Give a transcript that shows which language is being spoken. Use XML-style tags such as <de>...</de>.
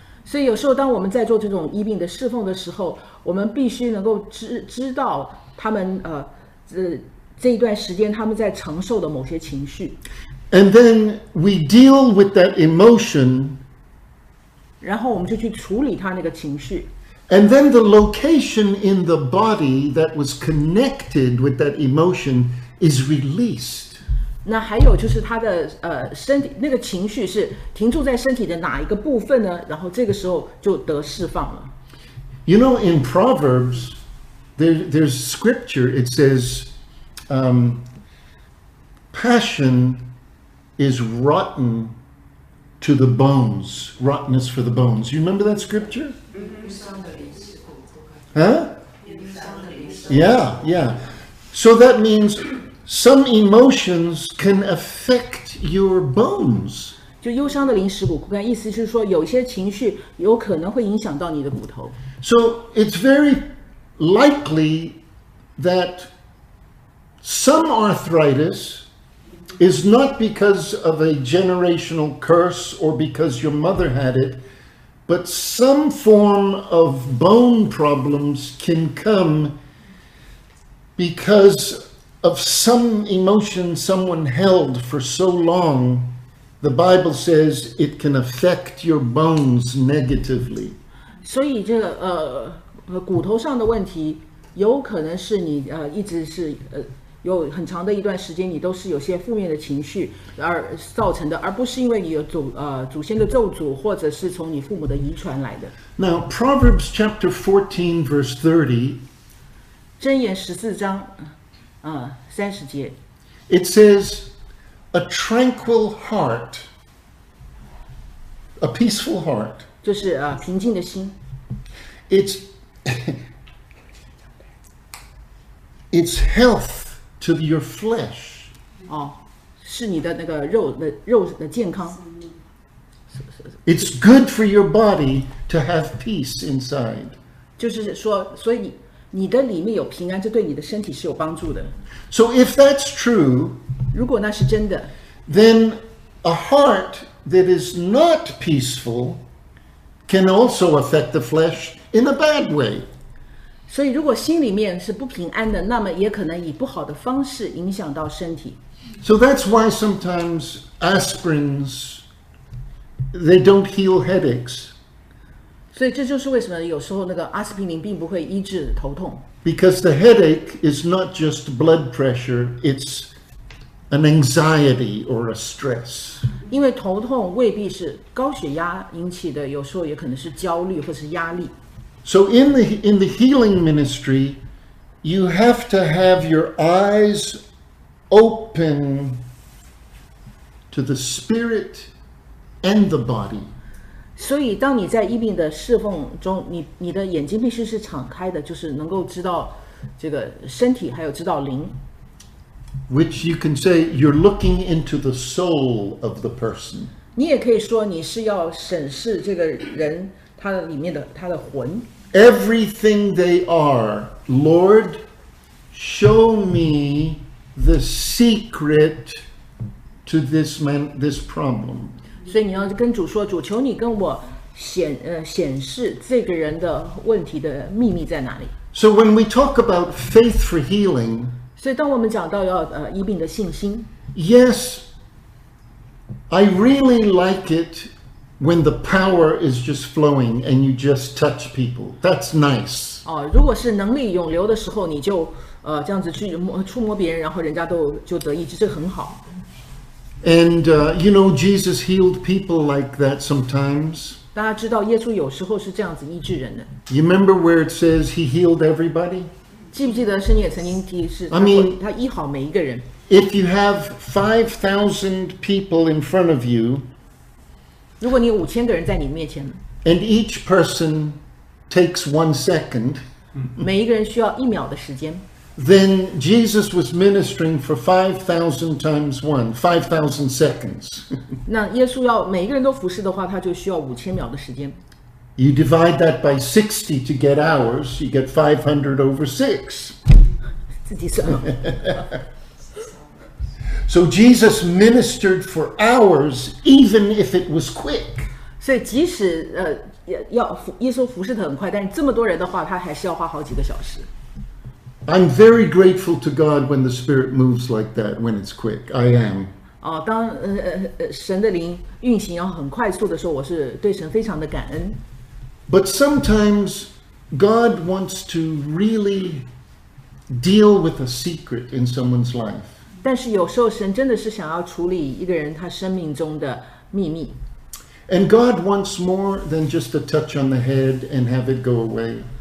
<zh>所以有时候当我们在做这种医病的侍奉的时候，我们必须能够知道他们这一段时间他们在承受的某些情绪。</zh> <en>And then we deal with that emotion.</en> <zh>然后我们就去处理他那个情绪。</zh> <en>And then the location in the body that was connected with that emotion is released.</en> <zh>那还有就是他的身体那个情绪是停住在身体的哪一个部分呢？然后这个时候就得释放了。</zh> <en>You know, in Proverbs, there's scripture. It says, "Passion is rotten to the bones, rottenness for the bones." You remember that scripture? Huh? Yeah. So that means some emotions can affect your bones.</en> <zh>就忧伤的灵蚀骨枯干，意思是说有些情绪有可能会影响到你的骨头。</zh> <en>So it's very likely that some arthritis is not because of a generational curse or because your mother had it, But some form of bone problems can come because of some emotion someone held for so long. The Bible says it can affect your bones negatively.</en> <zh>所以这个骨头上的问题，有可能是你一直是有很长的一段时间，你都是有些负面的情绪而造成的，而不是因为你有祖先的咒诅，或者是从你父母的遗传来的。</zh> <en>Now Proverbs chapter 14 verse 30.</en> <zh>箴言十四章，三十节。</zh> <en>It says, "A tranquil heart, a peaceful heart."</en> <zh>就是平静的心。</zh> <en>It's health to your flesh.</en> <zh>哦，是你的那个肉的健康。</zh> <en>It's good for your body to have peace inside.</en> <zh>就是说，所以你的里面有平安，这对你的身体是有帮助的。</zh> <en>So if that's true,</en> <zh>如果那是真的</zh> <en>，then a heart that is not peaceful can also affect the flesh in a bad way.</en> <zh>所以如果心里面是不平安的，那么也可能以不好的方式影响到身体。</zh> <en>So that's why sometimes aspirins, they don't heal headaches.</en> <zh>所以这就是为什么有时候那个阿司匹林并不会医治头痛。</zh> <en>Because the headache is not just blood pressure, it's an anxiety or a stress.</en> <zh>因为头痛未必是高血压引起的，有时候也可能是焦虑或是压力。</zh> <en>So in the healing ministry, you have to have your eyes open to the spirit and the body.</en> <zh>所以当你在医病的侍奉中，你的眼睛必须是敞开的，就是能够知道这个身体，还有知道灵。</zh> <en>Which you can say you're looking into the soul of the person.</en> <zh>你也可以说你是要审视这个人他里面的他的魂。</zh> <en>Everything they are, Lord, show me the secret to this man, this problem.</en> <zh>所以你要跟主说，主求你跟我显示这个人的问题的秘密在哪里。</zh> <en>So when we talk about faith for healing,</en> <zh>所以当我们讲到要医病的信心。</zh> <en>Yes, I really like it. When the power is just flowing and you just touch people, that's nice.</en> <zh>哦，如果是能力涌流的时候，你就这样子去触摸别人，然后人家都就得医治，这很好。</zh> <en>And you know, Jesus healed people like that sometimes.</en> <zh>大家知道，耶稣有时候是这样子医治人的。</zh> <en>You remember where it says he healed everybody?</en> <zh>记不记得圣经也曾经提示他？</zh> <en>I mean,</en> <zh>他医好每一个人。</zh> <en>If you have 5,000 people in front of you.</en> <zh>如果你有五千个人在你面前</zh> <en>，and each person takes 1 second，</en> <zh>每一个人需要一秒的时间。</zh> <en>Then Jesus was ministering for 5,000 times 5,000 seconds。</en> <zh>那耶稣要每一个人都服侍的话，他就需要五千秒的时间。</zh> <en>You divide that by 60 to get hours, you get 500 over 6。</en> <zh>自己算了。</zh> <en>So Jesus ministered for hours, even if it was quick.</en> <zh>所以即使要耶稣服侍得很快，但是这么多人的话，他还是要花好几个小时。</zh> <en>I'm very grateful to God when the Spirit moves like that, when it's quick. I am.</en> <zh>哦，当神的灵运行要很快速的时候，我是对神非常的感恩。</zh> <en>But sometimes God wants to really deal with a secret in someone's life.</en> <zh>但是有时候神真的是想要处理一个人他生命中的秘密。</zh> <en>And God wants more than just a touch on the head and have it go away.</en>